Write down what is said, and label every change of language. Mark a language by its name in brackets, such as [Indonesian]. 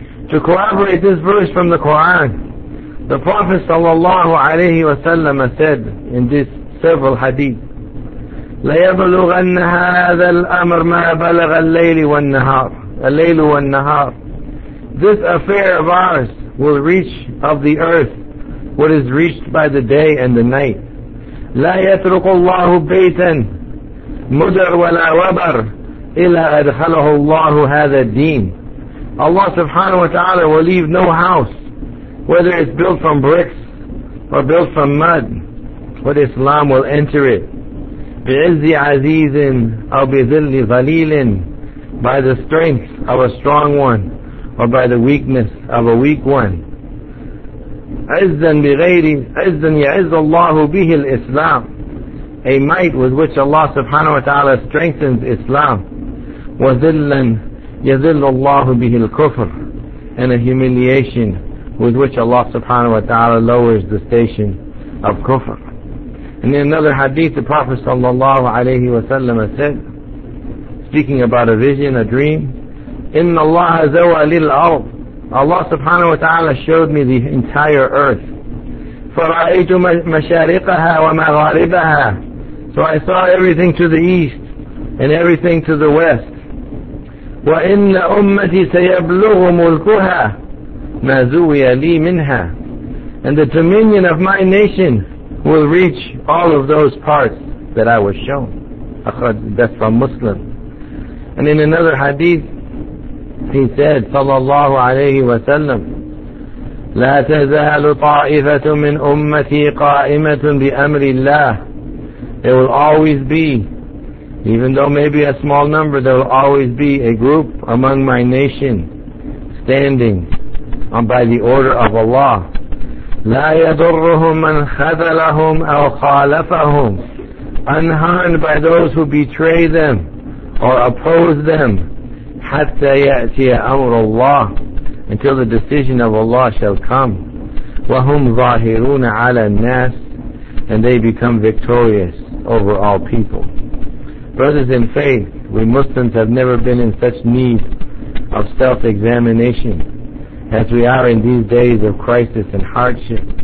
[English] To corroborate this verse from the Quran, the Prophet sallallahu alayhi wa sallam said in this several hadith, [Arabic] لَيَبْلُغَنَّ هَذَا الْأَمْرَ مَا بَلَغَ اللَّيْلِ وَالنَّهَارِ, اللَّيْلُ وَالنَّهَارِ, [English] this affair of ours will reach of the earth what is reached by the day and the night. [Arabic] لا يترك الله بيتا مدر ولا وبر إلا أدخله الله هذا الدين. [English] Allah subhanahu wa ta'ala will leave no house, whether it's built from bricks or built from mud, but Islam will enter it. [Arabic] بعز عزيز أو بذل ظليل, [English] by the strength of a strong one or by the weakness of a weak one. [Arabic] عِزًّا بِغَيْرِ عِزًّا يَعِزُّ اللَّهُ بِهِ الْإِسْلَامِ, [English] a might with which Allah subhanahu wa ta'ala strengthens Islam. [Arabic] وَذِلًّا يَذِلُّ اللَّهُ بِهِ الْكُفْرِ, [English] and a humiliation with which Allah subhanahu wa ta'ala lowers the station of kufr. And in another hadith, the Prophet sallallahu alayhi wa sallam said, speaking about a vision, a dream, [Arabic] إِنَّ اللَّهَ زَوَى لِلْأَرْضِ, [English] Allah subhanahu wa ta'ala showed me the entire earth. [Arabic] فَرَأَيْتُ مَشَارِقَهَا وَمَغَارِبَهَا, [English] so I saw everything to the east and everything to the west. [Arabic] وَإِنَّ أُمَّتِي سَيَبْلُغُ مُلْكُهَا مَا زُوِيَ لِي مِنْهَا, [English] and the dominion of my nation will reach all of those parts that I was shown. That's from Muslim. And in another hadith, he said, sallallahu alayhi wa sallam, [Arabic] لا تزال طائفة من أمتي قائمة بأمر الله. [English] There will always be, even though maybe a small number, there will always be a group among my nation standing by the order of Allah. [Arabic] لا يضرهم من خذلهم أو خالفهم. [English] Unharmed by those who betray them or oppose them. [Arabic] حتى يأتي أمر الله. [English] Until the decision of Allah shall come. [Arabic] وَهُمْ ظَاهِرُونَ عَلَى النَّاسِ. [English] And they become victorious over all people. Brothers in faith, we Muslims have never been in such need of self-examination as we are in these days of crisis and hardship.